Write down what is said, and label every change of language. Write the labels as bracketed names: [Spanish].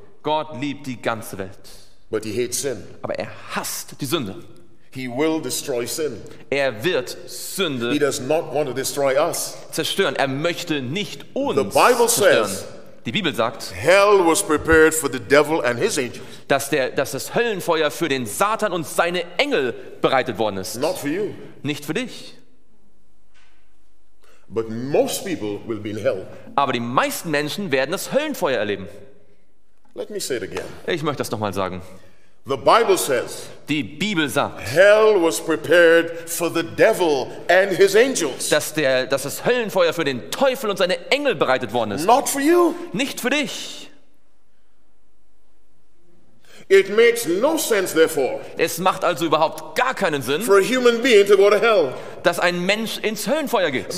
[German] Gott liebt die ganze Welt. [English] But he hates sin. [German] Aber er hasst die Sünde. [English] He will destroy sin. [German] Er wird Sünde. [English] He does not want to destroy us. [German] Zerstören. Er möchte nicht uns. [English] The Bible [German] zerstören. [English] Says. [German] Die Bibel sagt. [English] Hell was prepared for the devil and his angels. [German] Dass das Höllenfeuer für den Satan und seine Engel bereitet worden ist. [English] Not for you. [German] Nicht für dich. [English] But most people will be in hell. [German] Aber die meisten Menschen werden das Höllenfeuer erleben. [English] Let me say it again. [German] Ich möchte das nochmal sagen. [English] The Bible says. [German] Die Bibel sagt. [English] Hell was prepared for the devil and his angels. [German] Dass das Höllenfeuer für den Teufel und seine Engel bereitet worden ist. [English] Not for you. [German] Nicht für dich. [English] It makes no sense, therefore. [German] Es macht also überhaupt gar keinen Sinn. [English] For a human being to go to hell. [German] Dass ein Mensch ins Höllenfeuer geht.